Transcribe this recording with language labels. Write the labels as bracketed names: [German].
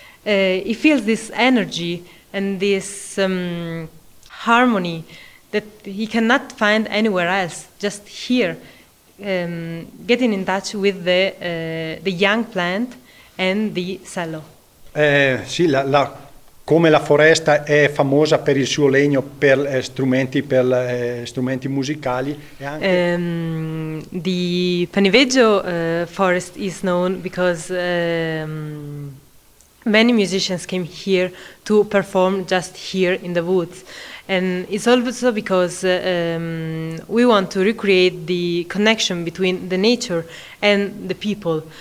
[English] He feels this energy and this harmony that he cannot find anywhere else, just here, getting in touch with the young plant and the cello. [Italian] Sì, la come la foresta è famosa per il suo legno, per strumenti, per strumenti musicali. E anche [English] The Paniveggio forest is known because many musicians came here to perform just here in the woods. And it's also because we want to recreate the connection between the nature and the people.